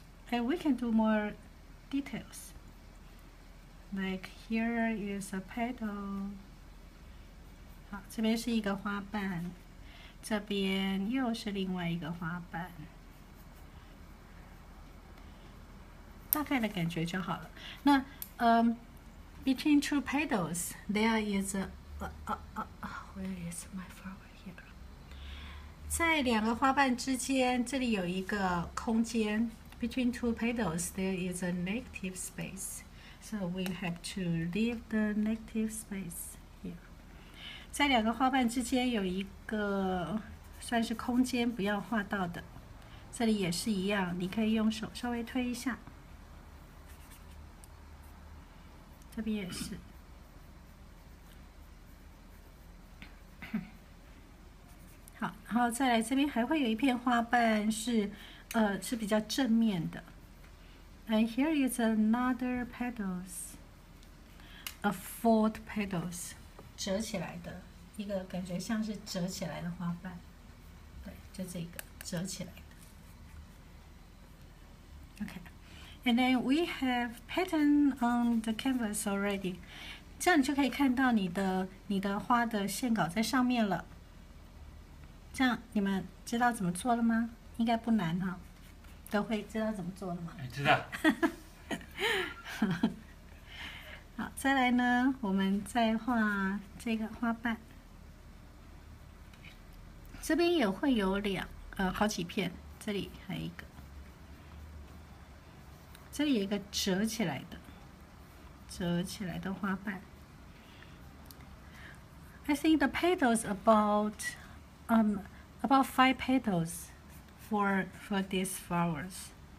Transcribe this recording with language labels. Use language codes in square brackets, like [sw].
[en] And we can do more details. Like here is a petal. [zh] 好，这边是一个花瓣，这边又是另外一个花瓣，大概的感觉就好了。 [en] 那between two petals there is where is my flower? [zh] 在两个花瓣之间，这里有一个空间。 [en] Between two petals, there is a negative space. So we have to leave the negative space here. [zh] 在两个花瓣之间有一个算是空间，不要画到的。这里也是一样，你可以用手稍微推一下。这边也是。好，然后再来这边还会有一片花瓣是比较正面的。 [en] And here is another petals, a fold petals, [zh] 折起来的一个感觉像是折起来的花瓣。对，就这个折起来的。 [en] Okay, and then we have pattern on the canvas already. [zh] 这样你就可以看到你的花的线稿在上面了。这样你们知道怎么做了吗？应该不难哈，都会知道怎么做了吗？知道。好，再来呢，我们再画这个花瓣。这边也会有好几片，这里还有一个，这里有一个折起来的花瓣。 [en] I think the petals about about five petals for these flowers.